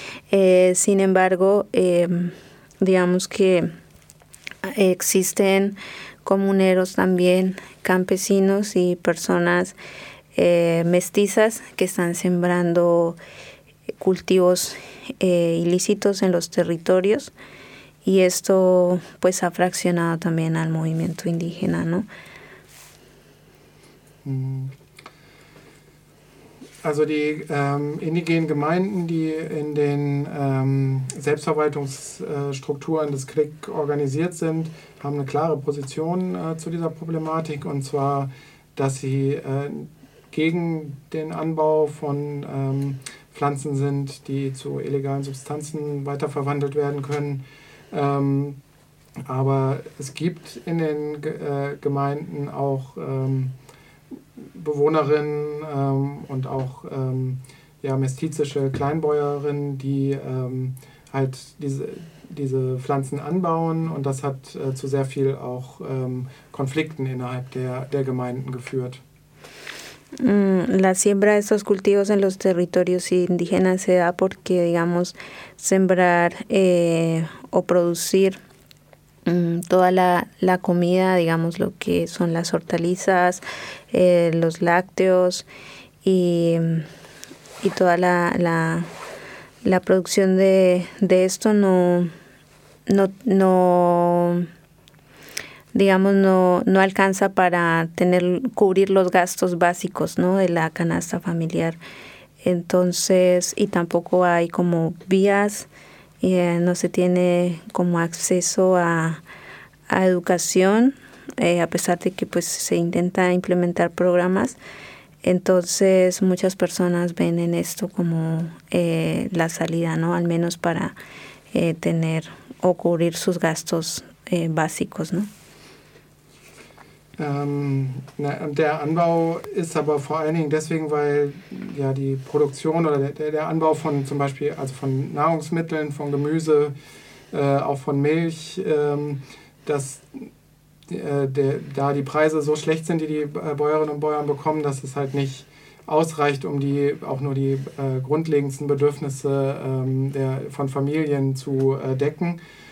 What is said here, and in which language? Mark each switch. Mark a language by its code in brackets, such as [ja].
[es] Sin embargo, digamos que existen comuneros también, campesinos y personas mestizas que están sembrando cultivos ilícitos en los territorios, y esto pues ha fraccionado también al movimiento indígena, ¿no? [de] Also die indigenen Gemeinden, die in den Selbstverwaltungsstrukturen des CRIC organisiert sind, haben eine klare Position zu dieser Problematik, und zwar, dass sie gegen den Anbau von Pflanzen sind, die zu illegalen Substanzen weiterverwandelt werden können. Aber es gibt in den Gemeinden auch Bewohnerinnen und auch mestizische Kleinbäuerinnen, die halt diese Pflanzen anbauen, und das hat zu sehr viel auch Konflikten innerhalb der Gemeinden geführt. [es] La siembra de estos cultivos en los territorios indígenas se da porque, digamos, sembrar o producir toda la comida, digamos, lo que son las hortalizas, los lácteos y toda la producción de esto no alcanza para cubrir los gastos básicos, ¿no?, de la canasta familiar. Entonces, y tampoco hay como vías, no se tiene como acceso a educación, a pesar de que pues se intenta implementar programas. Entonces, muchas personas ven en esto como la salida, ¿no?, al menos para tener o cubrir sus gastos básicos, ¿no? [de] Der Anbau ist aber vor allen Dingen deswegen, weil ja die Produktion oder der Anbau von zum Beispiel, also von Nahrungsmitteln, von Gemüse, auch von Milch, dass da die Preise so schlecht sind, die Bäuerinnen und Bäuer bekommen, dass es halt nicht ausreicht, um die auch nur die grundlegendsten Bedürfnisse von Familien zu decken.